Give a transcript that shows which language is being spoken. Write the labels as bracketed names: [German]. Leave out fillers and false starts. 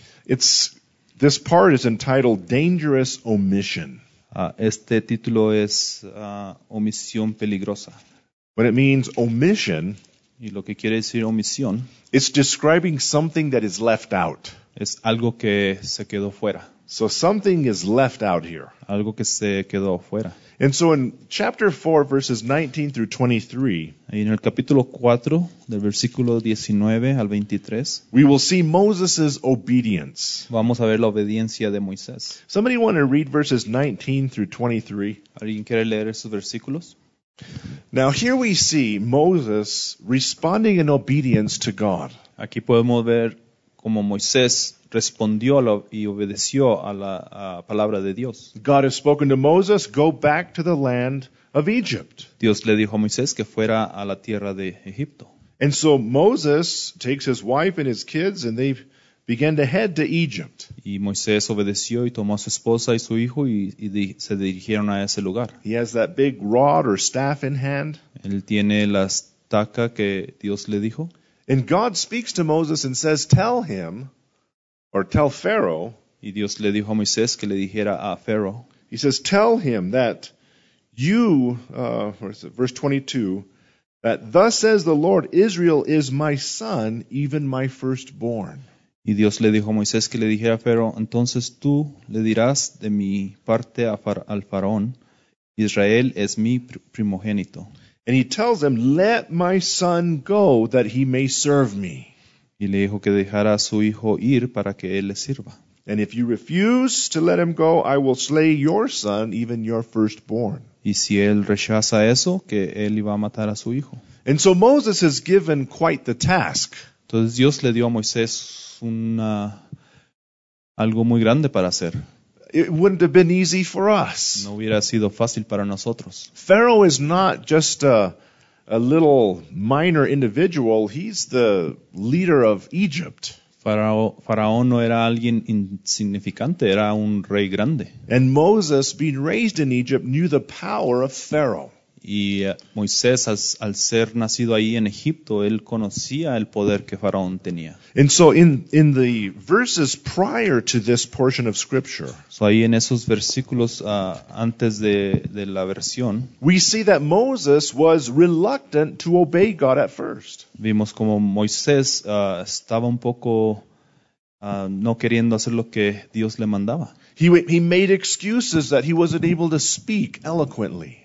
[English] This part is entitled Dangerous Omission. [Spanish] Este título es omisión peligrosa. [English] What it means, omission, [Spanish] y lo que quiere decir omisión, [English] it's describing something that is left out. [Spanish] Es algo que se quedó fuera. [English] So something is left out here. [Spanish] Algo que se quedó fuera. [English] And so in chapter 4, verses 19 through 23, [Spanish] y en el capítulo 4, del versículo 19 al 23, [English] we will see Moses' obedience. [Spanish] Vamos a ver la obediencia de Moisés. [English] Somebody want to read verses 19 through 23? [Spanish] ¿Alguien quiere leer esos versículos? [English] Now here we see Moses responding in obedience to God. [Spanish] Aquí podemos ver cómo Moisés respondió y obedeció a la palabra de Dios. [English] God has spoken to Moses, go back to the land of Egypt. [Spanish] Dios le dijo a Moisés que fuera a la tierra de Egipto. [English] And so Moses takes his wife and his kids and they began to head to Egypt. [Spanish] Y Moisés obedeció y tomó a su esposa y su hijo y se dirigieron a ese lugar. [English] He has that big rod or staff in hand. [Spanish] Él tiene la estaca que Dios le dijo. [English] And God speaks to Moses and says, tell him, or tell Pharaoh. [Spanish] Y Dios le dijo a Moisés que le dijera a Pharaoh. [English] He says, tell him that you, verse 22, that thus says the Lord, Israel is my son, even my firstborn. [Spanish] Y Dios le dijo a Moisés que le dijera a Pharaoh, entonces tú le dirás de mi parte al faraón, Israel es mi primogénito. [English] And he tells him, let my son go that he may serve me. [Spanish] Y le dijo que dejara a su hijo ir para que él le sirva. [English] And if you refuse to let him go, I will slay your son, even your firstborn. [Spanish] Y si él rechaza eso, que él iba a matar a su hijo. [English] And so Moses is given quite the task. [Spanish] Entonces Dios le dio a Moisés algo muy grande para hacer. [English] It wouldn't have been easy for us. [Spanish] No hubiera sido fácil para nosotros. [English] Pharaoh is not just a little minor individual. He's the leader of Egypt. [Spanish] Faraón no era alguien insignificante. Era un rey grande. [English] And Moses, being raised in Egypt, knew the power of Pharaoh. [Spanish] Y Moisés, al ser nacido ahí en Egipto, él conocía el poder que Faraón tenía. [English] And so in the verses prior to this portion of scripture, [Spanish] so ahí en esos versículos antes de la versión, [English] we see that Moses was reluctant to obey God at first. [Spanish] Vimos como Moisés estaba un poco no queriendo hacer lo que Dios le mandaba. [English] He made excuses that he wasn't able to speak eloquently.